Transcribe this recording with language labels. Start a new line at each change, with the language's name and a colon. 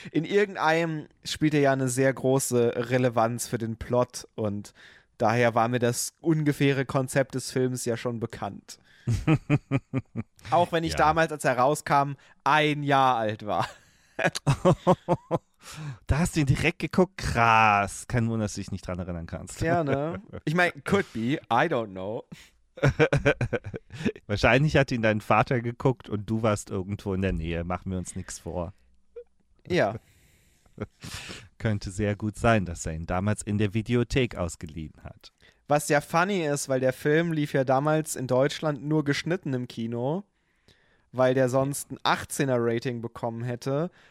German: In irgendeinem spielt er ja eine sehr große Relevanz für den Plot und daher war mir das ungefähre Konzept des Films ja schon bekannt. Auch wenn ich damals, als er rauskam, ein Jahr alt war. Da hast du ihn direkt geguckt? Krass. Kein Wunder, dass du dich nicht dran erinnern kannst. Gerne. Ich meine,
English: could be, I don't know.
German: Wahrscheinlich hat ihn dein Vater geguckt und du warst irgendwo in der Nähe. Machen wir uns nichts vor. Ja. Könnte sehr gut sein, dass er ihn damals in der Videothek ausgeliehen hat. Was ja funny ist, weil der Film lief ja damals in Deutschland nur geschnitten im Kino, weil der sonst ein 18er-Rating bekommen hätte.